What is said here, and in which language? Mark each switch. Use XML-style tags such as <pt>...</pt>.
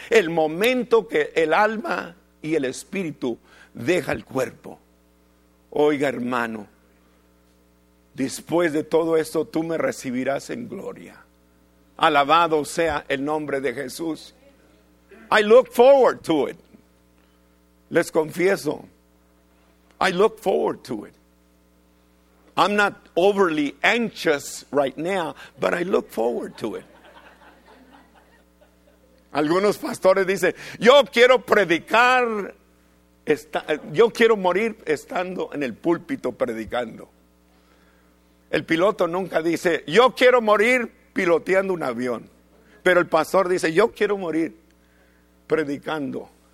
<es>El momento que el alma y el espíritu deja el cuerpo. Oiga, hermano, después de todo esto, tú me recibirás en gloria. Alabado sea el nombre de Jesús.</es> <en>I look forward to it.</en> <es>Les confieso,</es> <en>I look forward to it. I'm not overly anxious right now, but I look forward to it.</en> <es>Algunos pastores dicen, yo quiero predicar, yo quiero morir estando en el púlpito predicando. El piloto nunca dice, yo quiero morir piloteando un avión. Pero el pastor dice, yo quiero morir predicando.</es>